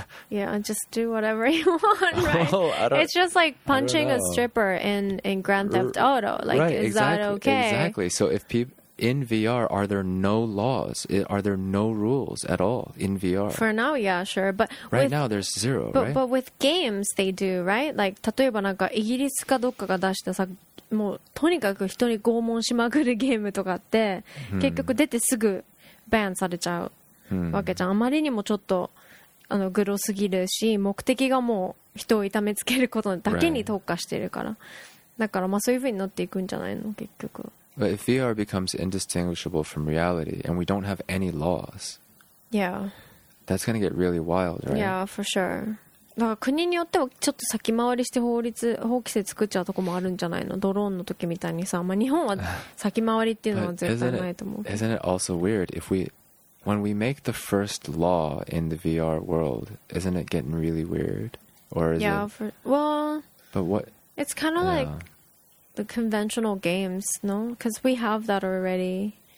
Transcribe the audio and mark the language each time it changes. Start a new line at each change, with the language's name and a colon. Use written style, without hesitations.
English: yeah, just do whatever you want, right? Oh, it's just like punching a stripper in Grand Theft Auto. Like, right, is exactly, that okay? Exactly. So if people in VR, are there no laws? Are there no rules at all in VR? For now, yeah, sure. But right now, there's zero. But, right? But with games, they do, right?
Japanese: Like, 例えばなんかイギリスかどっかが出したさ、もうとにかく人に拷問しまくるゲームとかって、結局出てすぐバンされちゃう。わけじゃん。あまりにもちょっとあのグロすぎるし、目的がもう人を痛めつけることだけに特化してるから、だからまあそういう風になっていくんじゃないの結局。
English: But if VR becomes indistinguishable from reality and we don't have any laws, yeah, that's gonna get really wild, right? Yeah, for sure.
Japanese: だから国によってはちょっと先回りして法規制作っちゃうとこもあるんじゃないの、ドローンの時みたいにさ、まあ日本は先回りっていうのは絶対ないと思う。
English: Isn't it also weird if we when we make the first law in the VR world, isn't it getting really weird? Or is yeah, it? For, well, but what? It's kind of like the conventional games, no? Because we have that already.